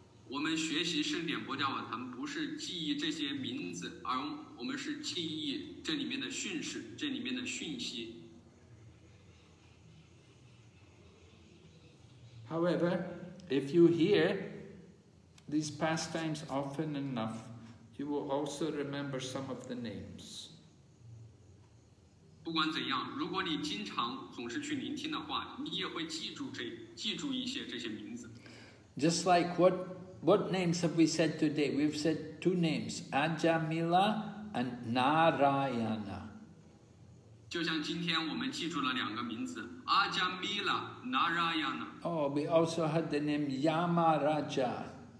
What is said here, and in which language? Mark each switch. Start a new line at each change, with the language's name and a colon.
English: However, if you hear these pastimes often enough, you will also remember some of the names.
Chinese: 不管怎样,如果你经常总是去聆听的话,你也会记住一些这些名字。
English: Just like what names have we said today? We've said two names, Ajamila and Narayana.
Chinese: 就像今天我们记住了两个名字, Ajamila, Narayana.
English: Oh, we also had the name Yamaraja.